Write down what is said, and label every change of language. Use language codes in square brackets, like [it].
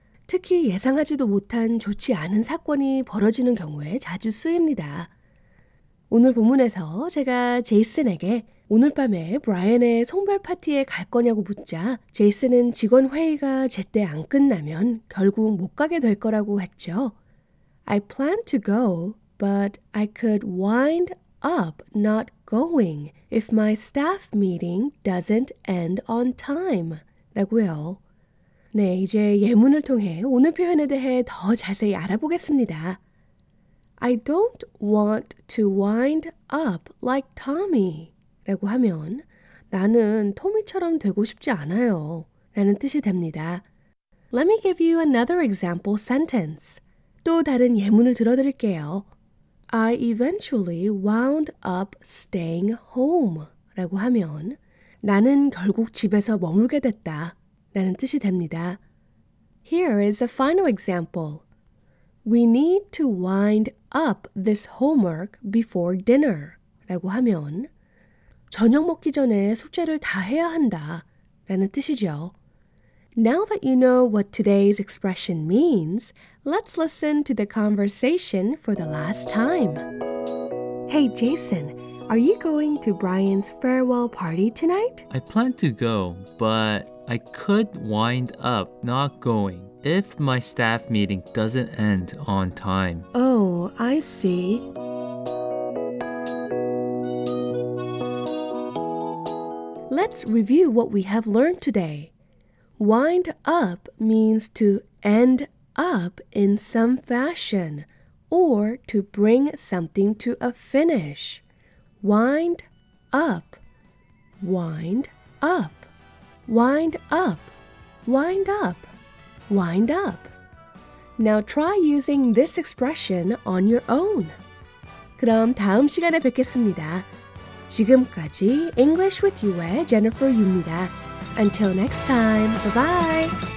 [ko] 특히 예상하지도 못한 좋지 않은 사건이 벌어지는 경우에 자주 쓰입니다. 오늘 본문에서 제가 제이슨에게 오늘 밤에 브라이언의 송별 파티에 갈 거냐고 묻자 제이슨은 직원 회의가 제때 안 끝나면 결국 못 가게 될 거라고 했죠. [en] I plan to go, but I could wind up not going if my staff meeting doesn't end on time. [ko] 라고요. 네, 이제 예문을 통해 오늘 표현에 대해 더 자세히 알아보겠습니다. [en] I don't want to wind up like Tommy [ko] 라고 하면 나는 토미처럼 되고 싶지 않아요 라는 뜻이 됩니다. [en] Let me give you another example sentence. [ko] 또 다른 예문을 들어드릴게요. [en] I eventually wound up staying home [ko] 라고 하면 나는 결국 집에서 머물게 됐다 라는 뜻이 됩니다. [en] Here is a final example. We need to wind up this homework before dinner. [ko] 라고 하면 저녁 먹기 전에 숙제를 다 해야 한다 라는 뜻이죠. [en] Now that you know what today's expression means, let's listen to the conversation for the last time. Hey Jason, are you going to Brian's farewell party tonight? I plan to go, but I could wind up not going if my staff meeting doesn't end on time. Oh, I see. Let's review what we have learned today. Wind up means to end up in some fashion or to bring something to a finish. Wind up. Wind up. Wind up. Wind up. Wind up. Now try using this expression on your own. [ko] 그럼 다음 시간에 뵙겠습니다. 지금까지 English with You의 Jennifer Yu입니다. [en] Until next time, bye-bye.